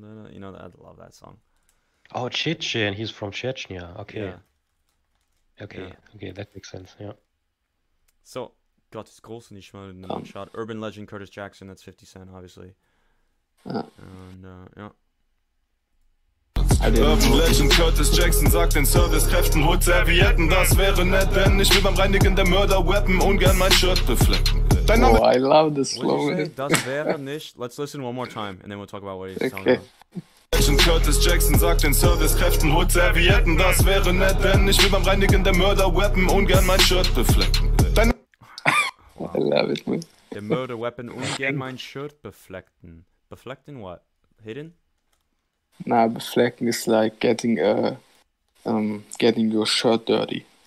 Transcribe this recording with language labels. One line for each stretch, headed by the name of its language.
English: You know, I love that song. Oh, Tschetschen, he's from Chechnya. Okay. Yeah. Okay, yeah. Okay, that makes sense, yeah.
German: So, Gott ist groß und ich meine, in einem shot.
English: Urban legend Curtis Jackson, that's 50 Cent, obviously. Yeah.
German: Urban Legend Curtis Jackson sagt den Servicekräften, holt Servietten, das wäre nett, wenn ich will beim Reinigen der Mörder-Weapon ungern mein Shirt beflecken.
English: Oh, I love this flow.
German: Das wäre nicht.
English: Let's listen one more time and then we'll talk about what he's talking about. Urban Legend Curtis Jackson sagt den Servicekräften, holt Servietten, das wäre nett, wenn ich will beim Reinigen der Mörder-Weapon ungern mein Shirt beflecken. I love it, man. The murder weapon
German: und gern mein Shirt beflecken.
English: Beflecken what? Hidden? Nah, beflecken is like getting your shirt dirty.